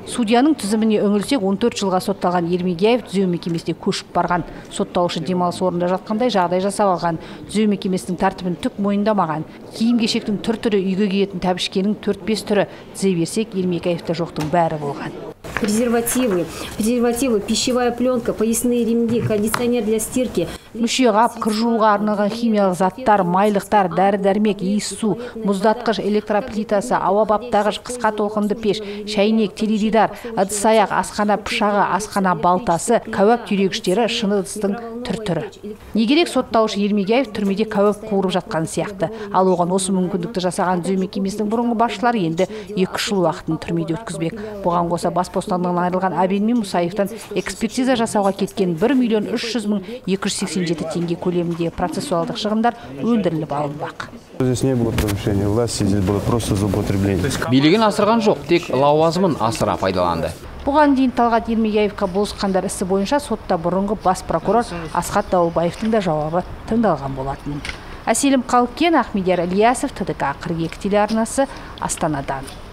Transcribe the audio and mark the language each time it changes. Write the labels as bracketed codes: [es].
[kk] Судьяның тізіміне үңілсек, 14 жылға сотталған Ермегеев түзеу мекемесіне көшіп барған. Соттаушы демалыс орнында жатқандай жағдай жасап алған. Түзеу мекемесінің тәртібін түк мойындамаған. Киім-кешектің түр-түрі, үйге киетін тәпішкенің 4-5 түрі. Тізе берсек, Ермегеевті жоқтың бәрі болған. [ru] Презервативы, пищевая пленка, поясные ремни, кондиционер для стирки. [kk] Мүшеға, кір жуға арналған химиялық заттар, майлықтар, дәрі-дәрмек, иіс су, мұздатқыш, электроплитасы, ауа баптағыш, қысқа толқынды пеш, шайнек, теледидар, ыдыс-аяқ, асхана пышағы, асхана балтасы, кәуап түйрегіштері, шыны ыдыстың түр-түрі. Не керек, сотталушы Ермегеев түрмеде кәуап қуырып жатқан сияқты. Ал оған осы мүмкіндікті жасаған түзеу мекемесінің бұрынғы басшылары енді 2 жыл уақытын түрмеде өткізбек. Бұған қоса бас бостандығынан айырылған Әбен мен Мұсаевтан экспертиза жасауға кеткен 1 300 287 теңге көлемінде процессуалдық шығындар өндіріліп алынбақ. [ru] Здесь не было повышения власти, здесь было просто злоупотребление. [kk] Билігін асырған жоқ, тек лауазымын асыра пайдаланды. Бұған дейін Талғат Ермегеевқа болысқандар ісі бойынша сотта бұрынғы бас прокурор Асхат Дауылбаевтың да жауабы тыңдалған болатын. Әселім Қалкен, Ахмедияр Ілиясов, ТДК 42 телеарнасы, Астанадан.